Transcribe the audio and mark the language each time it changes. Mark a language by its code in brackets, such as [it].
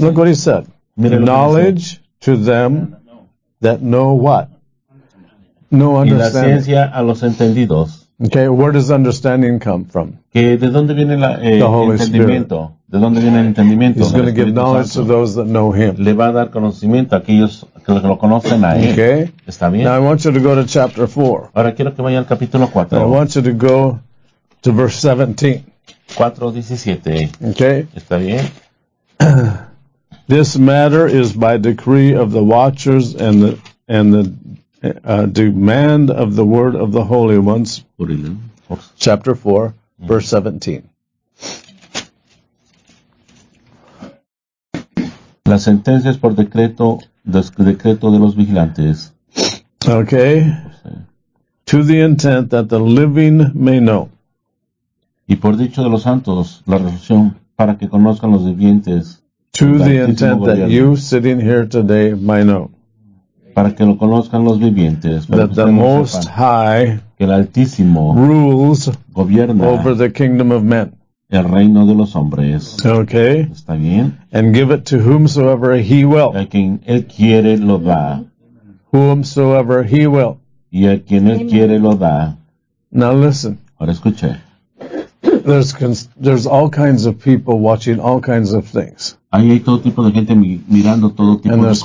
[en] Look what he said. Knowledge to them that know what? No understanding. [es] Y la ciencia a los entendidos. [en] Okay, where does understanding come from? [es] Que de dónde viene la, [en] the Holy [es] entendimiento. [en] Spirit. [es] De dónde viene el entendimiento. [en] He's going to give knowledge to those that know him. [es] Le va a dar conocimiento a aquellos que lo conocen a él. [en] Okay. [es] Está bien. [en] Now I want you to go to chapter 4. [es] Ahora quiero que vaya al capítulo 4. [en] I want you to go to verse 17. [es] 4:17. [en] Okay. [es] Está bien. [en] This matter is by decree of the watchers and the demand of the word of the holy ones. Chapter 4, verse 17. [es] La sentencia es por decreto de los vigilantes. [en] Okay. To the intent that the living may know. [es] Y por dicho de los santos, la resolución para que conozcan los vivientes. [en] To the intent that you sitting here today might know. [es] Para que lo conozcan los vivientes. [en] That the Most High. [es] El Altísimo. [en] Rules. [es] Gobierna. [en] Over the kingdom of men. [es] El reino de los hombres. [en] Okay. [es] Está bien. [en] And give it to whomsoever he will. [es] A quien él quiere lo da. [en] Whomsoever he will. [es] Y a quien él quiere lo da. [en] Now listen. [es] Ahora escuche. [en] There's all kinds of people watching all kinds of things. [es] Ahí hay todo tipo de gente mirando todo tipo de cosas.